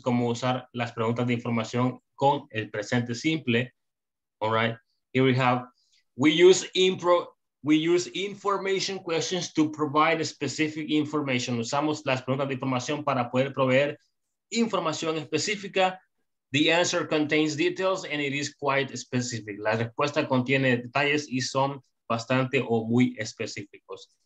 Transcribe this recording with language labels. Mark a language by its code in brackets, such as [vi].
[es] ¿Cómo usar las preguntas de información con el presente simple? [en] All right. Here we have. We use information questions to provide specific information. [es] Usamos las preguntas de información para poder proveer información específica. [en] The answer contains details and it is quite specific. [es] La respuesta contiene detalles y son bastante o muy específicos.